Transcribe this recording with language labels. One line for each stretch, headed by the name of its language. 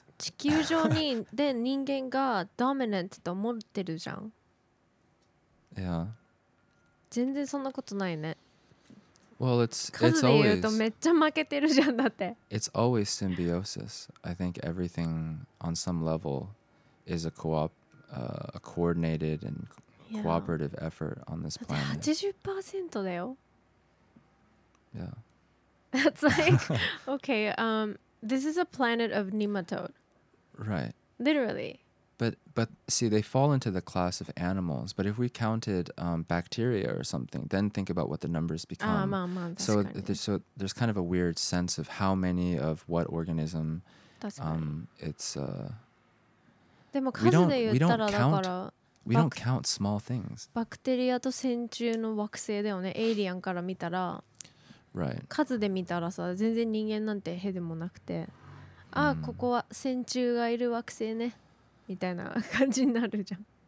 Japanese: 地球上にで人間がドミナントと思ってるじゃん。いや。全然そんなことないね。
English: Well, it's always.
Japanese: 数で言うとめっちゃ負けてるじゃんだって。
English: It's always symbiosis. I think everything on some level is a a coordinated and cooperative yeah. effort on this planet.
Japanese: だって 80% だよ。
English: Yeah. That's like okay. This is a planet of nematode. Right. Literally. But see, they fall into the class of animals. But if we counted bacteria or something, then think about what the numbers become. So there's kind of a weird sense of how many of what organism. It's.
Japanese: でも数で言ったらだから。
English: We don't count small things.
Japanese: バクテリアと線虫の惑星だよね。エイリアンから見たら。
English: Right.
Japanese: 数で見たらさ、全然人間なんてへでもなくて、ああ、mm. ここは線虫がいる惑星ね、みたいな感じになるじゃん。